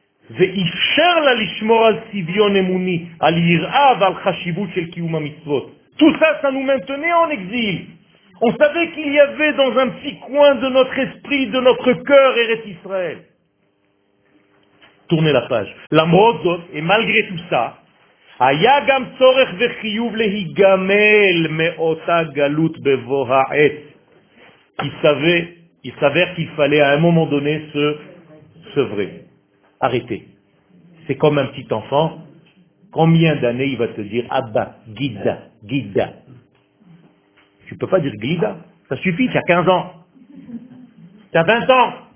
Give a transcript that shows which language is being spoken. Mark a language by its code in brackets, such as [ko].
[he] ואיפשר לה לשמור על סביון אמוני, על יראה ועל חשיבות של קיום המצוות. [fr] Tout ça, ça nous maintenait en exil. On savait qu'il y avait dans un petit coin de notre esprit, de notre cœur, Eretz Israël. Tournez la page. [he] למרות זאת, [fr] et malgré tout ça, [he] היה גם צורך וחיוב להיגמל מאותה גלות בבוא העת. [fr] Il s'avère qu'il fallait à un moment donné se sevrer. Arrêtez. C'est comme un petit enfant. Combien d'années il va te dire Abba, Gida, Gida? Tu ne peux pas dire Gida. Ça suffit, tu as 15 ans. Tu as 20 ans.